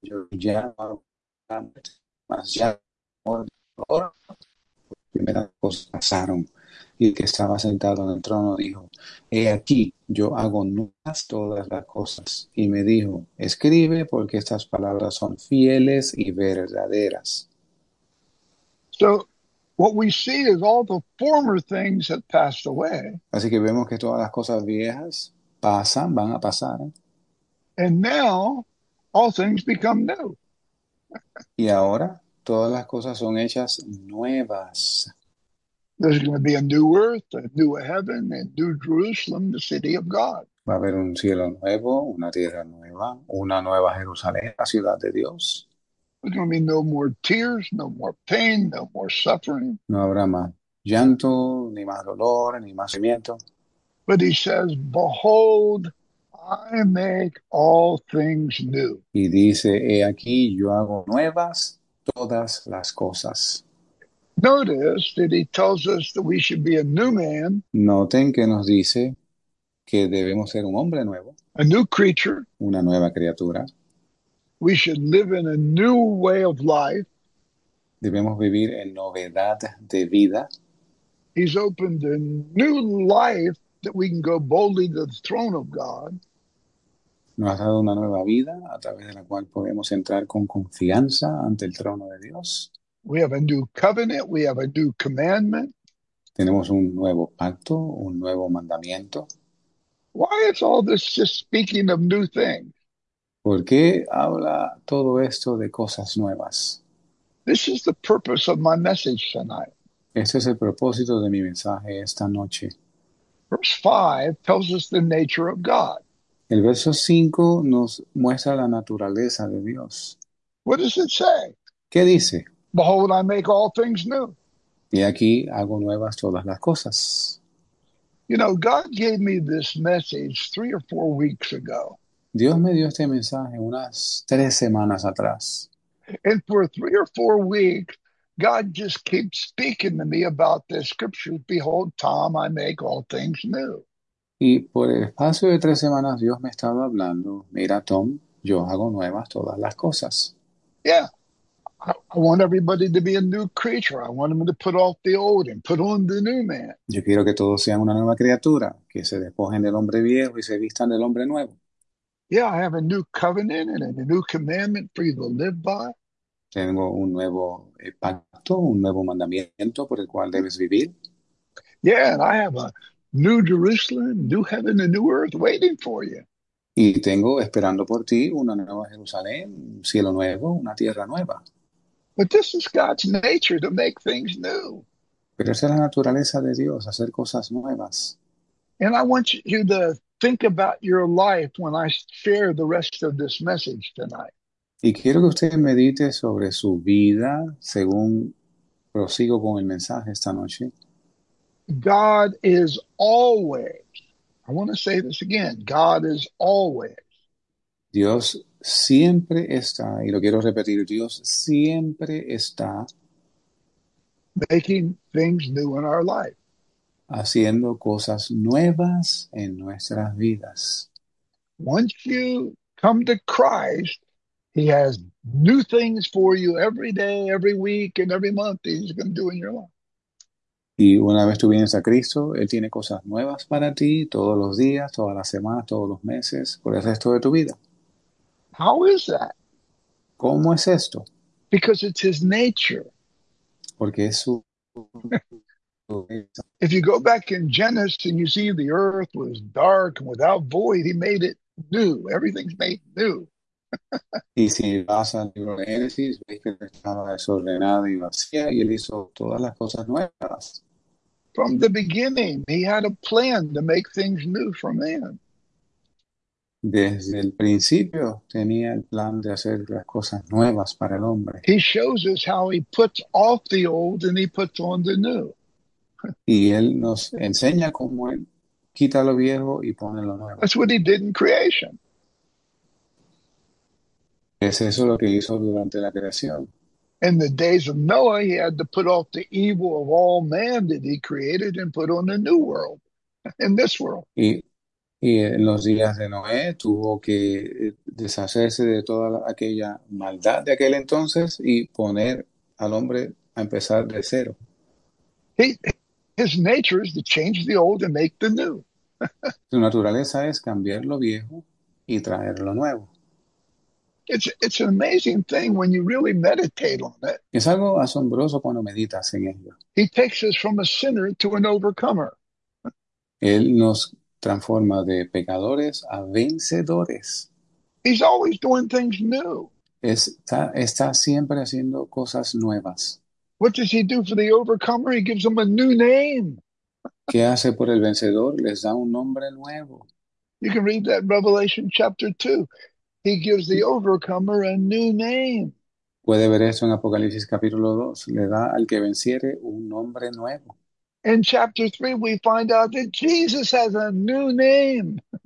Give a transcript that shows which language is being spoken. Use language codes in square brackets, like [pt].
[es] Ya, más ya, primeras cosas pasaron, y el que estaba sentado en el trono dijo: He aquí, yo hago nuevas todas las cosas. Y me dijo: Escribe, porque estas palabras son fieles y verdaderas. [en] So, what we see is all the former things have passed away. [es] Así que vemos que todas las cosas viejas pasan, van a pasar. [en] And now all things become new. [es] Y ahora todas las cosas son hechas nuevas. [en] There's going to be a new earth, a new heaven, and new Jerusalem, the city of God. [es] Va a haber un cielo nuevo, una tierra nueva, una nueva Jerusalén, la ciudad de Dios. [en] There's going to be no more tears, no more pain, no more suffering. [es] No habrá más llanto, ni más dolor, ni más sufrimiento. [en] But he says, Behold, I make all things new. [es] Y dice: He aquí, yo hago nuevas todas las cosas. [en] Notice that he tells us that we should be a new man, [es] Noten que nos dice que debemos ser un hombre nuevo, [en] a new creature. [es] una nueva criatura. [en] We should live in a new way of life. [es] Debemos vivir en novedad de vida. [en] He's opened a new life that we can go boldly to the throne of God. [es] Nos ha dado una nueva vida a través de la cual podemos entrar con confianza ante el trono de Dios. [en] We have a new covenant, we have a new commandment. [es] Tenemos un nuevo pacto, un nuevo mandamiento. [en] Why is all this just speaking of new things? [es] ¿Por qué habla todo esto de cosas nuevas? [en] This is the purpose of my message tonight. [es] Este es el propósito de mi mensaje esta noche. [en] Verse 5 tells us the nature of God. [es] El verso 5 nos muestra la naturaleza de Dios. [en] What does it say? [es] ¿Qué dice? [en] Behold, I make all things new. [es] Y aquí hago nuevas todas las cosas. [en] You know, God gave me this message 3 or 4 weeks ago. [es] Dios me dio este mensaje unas 3 semanas atrás. [en] And for 3 or 4 weeks, God just keeps speaking to me about this scripture. Behold, Tom, I make all things new. [es] Y por el espacio de 3 semanas Dios me estaba hablando: Mira, Tom, yo hago nuevas todas las cosas. [en] Yeah, I want everybody to be a new creature. I want them to put off the old and put on the new man. [es] Yo quiero que todos sean una nueva criatura, que se despojen del hombre viejo y se vistan del hombre nuevo. [en] Yeah, I have a new covenant and a new commandment for you to live by. [es] Tengo un nuevo pacto, un nuevo mandamiento por el cual debes vivir. [en] Yeah, and I have a new Jerusalem, new heaven, and new earth waiting for you. [es] Y tengo esperando por ti una nueva Jerusalén, un cielo nuevo, una tierra nueva. [en] But this is God's nature to make things new. [es] Pero esa es la naturaleza de Dios, hacer cosas nuevas. [en] And I want you to think about your life when I share the rest of this message tonight. [es] Y quiero que usted medite sobre su vida según prosigo con el mensaje esta noche. [en] God is always, I want to say this again, God is always. [es] Dios siempre está, y lo quiero repetir, Dios siempre está [en] Making things new in our life. [es] haciendo cosas nuevas en nuestras vidas. [en] Once you come to Christ, He has new things for you every day, every week, and every month He's going to do in your life. [es] Y una vez tú vienes a Cristo, Él tiene cosas nuevas para ti todos los días, todas las semanas, todos los meses, por el resto de tu vida. [en] How is that? [es] ¿Cómo es esto? [en] Because it's His nature. [es] porque es su [en] If you go back in Genesis and you see the earth was dark and without void, he made it new. Everything's made new. [es] Y si vas al libro de Génesis, veis que estaba desordenada y vacía, y él hizo todas las cosas nuevas. [en] From the beginning, he had a plan to make things new for man. [es] Desde el principio tenía el plan de hacer las cosas nuevas para el hombre. [en] He shows us how he puts off the old and he puts on the new. [es] Y él nos enseña cómo él quita lo viejo y pone lo nuevo. [en] That's what he did in creation. [es] Es eso lo que hizo durante la creación. [en] In the days of Noah, he had to put off the evil of all man that he created and put on a new world, in this world. [es] Y en los días de Noé tuvo que deshacerse de toda aquella maldad de aquel entonces y poner al hombre a empezar de cero. [en] His nature is to change the old and make the new. [es] Su naturaleza es cambiar lo viejo y traer lo nuevo. [en] It's an amazing thing when you really meditate on it. [es] Es algo asombroso cuando meditas en ello. [en] He takes us from a sinner to an overcomer. [es] Él nos transforma de pecadores a vencedores. [en] He's always doing things new. [es] Está siempre haciendo cosas nuevas. [en] What does he do for the overcomer? He gives him a new name. [es] ¿Qué hace por el vencedor? Les da un nombre nuevo. [en] You can read that Revelation chapter 2. He gives the overcomer a new name. [es] Puede ver eso en Apocalipsis capítulo 2. Le da al que venciere un nombre nuevo. [en] In chapter 3, we find out that Jesus has a new name.